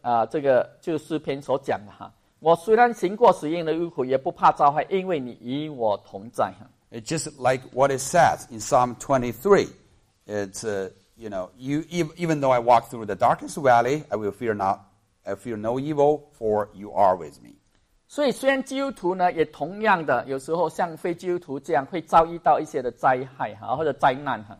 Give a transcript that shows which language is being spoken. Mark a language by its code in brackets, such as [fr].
[zh] 这个就是诗篇所讲的，我虽然行过死荫的幽谷，也不怕遭害，因为你与我同在。 [en] It's just like what it says in Psalm 23. It's, even though I walk through the darkest valley, I fear no evil, for you are with me. [zh] 所以虽然基督徒呢，也同样的，有时候像非基督徒这样，会遭遇到一些的灾害或者灾难。